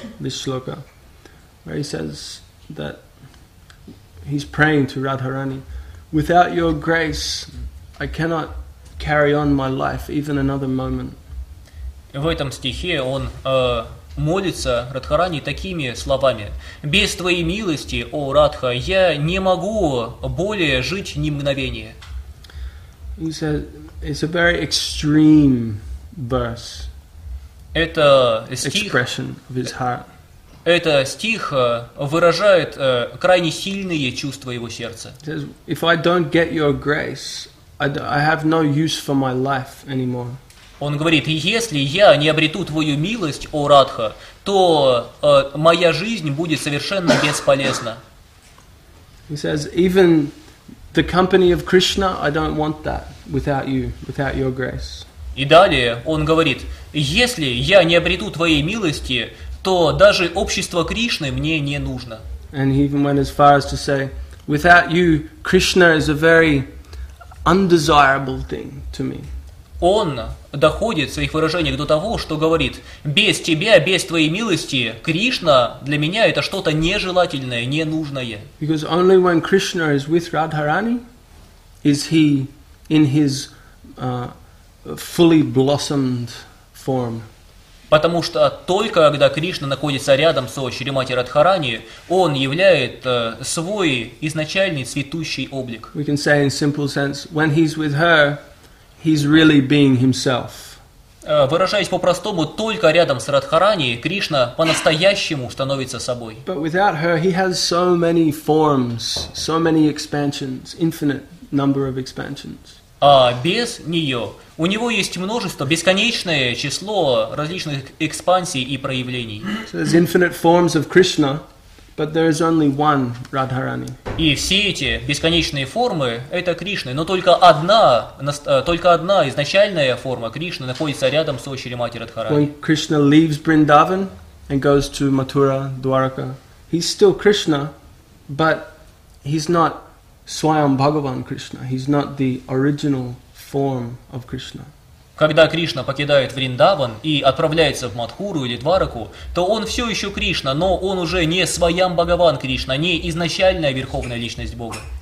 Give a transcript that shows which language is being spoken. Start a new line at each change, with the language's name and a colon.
English: This shloka, where he says that he's praying to Radharani, without your grace, I cannot carry on my life even another moment.
Russian: В этом стихе он молится Радхарани такими словами: без твоей милости, о Радха, я не могу более жить ни мгновение.
English: He says it's a very extreme verse.
Russian: Это стих,
English: expression of his heart.
Russian: Это стих выражает крайне сильные чувства его сердца.
English: If I don't get your grace, I have no use for my life anymore.
Russian: Он говорит: если я не обрету твою милость, о Радха, то моя жизнь будет совершенно бесполезна.
English: He says, even the company of Krishna, I don't want that without you, without your grace.
Russian: И далее он говорит: если я не обрету твоей милости, то даже общество Кришны мне не нужно.
English: And he even went as far as to say, without you, Krishna is a very undesirable thing to me.
Russian: Он доходит в своих выражениях до того, что говорит: без тебя, без твоей милости, Кришна для меня это что-то нежелательное, ненужное.
English: Because only when Krishna is with Radharani is he in his fully blossomed form.
Russian: Потому что только когда Кришна находится рядом со Шримати Радхарани, он являет свой изначальный цветущий облик.
English: We can say in simple sense, when he's with her, he's really being himself.
Russian: Выражаясь по-простому, только рядом с Радхарани Кришна по-настоящему становится собой.
English: But without her, he has so many forms, so many expansions, infinite number of expansions.
Russian: А без нее у него есть множество, бесконечное число различных экспансий и проявлений.
English: So there's infinite forms of Krishna, but there is only one Radharani.
Russian: И все эти бесконечные формы – это Кришны, но только одна изначальная форма Кришны находится рядом с Шримати Радхарани.
English: When Krishna leaves Vrindavan and goes to Mathura, Dwaraka, he's still Krishna, but he's not Swayam Bhagavan Krishna. He's not the original form of Krishna.
Russian: Когда Кришна покидает Вриндаван и отправляется в Мадхуру или Двараку, то он все еще Кришна, но он уже не Свайам Бхагаван Кришна, не изначальная верховная личность Бога.